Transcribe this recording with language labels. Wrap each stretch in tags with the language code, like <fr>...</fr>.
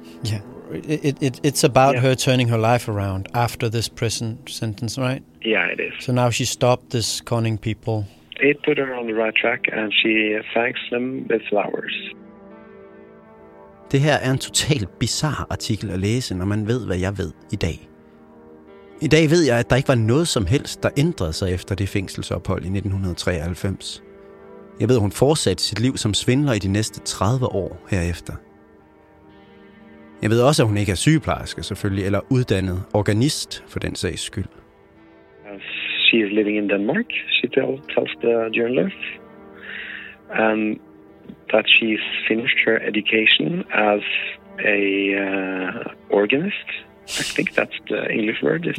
<en>Yeah, it's about her turning her life around after this prison sentence, right? Yeah, it is. So now she stopped this conning people. It put her on the right track, and she thanks them with flowers.</en> <da>Det her er en totalt bizarre artikel at læse, når man ved, hvad jeg ved i dag. I dag ved jeg, at der ikke var noget som helst, der ændrede sig efter det fængselsophold i 1993. Jeg ved, hun fortsatte sit liv som svindler i de næste 30 år herefter. Jeg ved også, at hun ikke er sygeplejerske selvfølgelig, eller uddannet organist for den sags skyld.</da> <en>She is living in Denmark, she tells the journalist. And that she's finished her education as a organist. I think that's the English word, isn't</en>